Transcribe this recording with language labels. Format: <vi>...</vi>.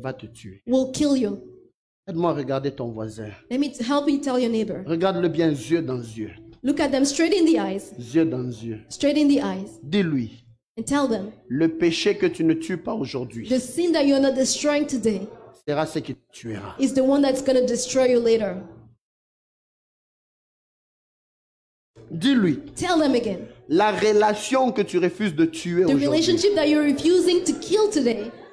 <fr>Va te tuer.</fr> <en>Will kill you.</en> <fr>Aide-moi à regarder ton voisin.</fr> <en>Let me help you tell your neighbor.</en> <fr>Regarde-le bien yeux dans yeux.</fr> <en>Look at them straight in the eyes.</en> <fr>Yeux dans yeux.</fr> <en>Straight in the eyes.</en> <fr>Dis-lui.</fr> <en>And tell them.</en> <fr>Le péché que tu ne tues pas aujourd'hui.</fr> <en>The sin that you're not destroying today.</en> <fr>Sera ce qui te tuera.</fr> <en>Is the one that's going to destroy you later.</en> <fr>Dis-lui.</fr> <en>Tell them again.</en> <fr>La relation que tu refuses de tuer aujourd'hui.</fr> <en>The relationship that you're refusing to kill today.</en>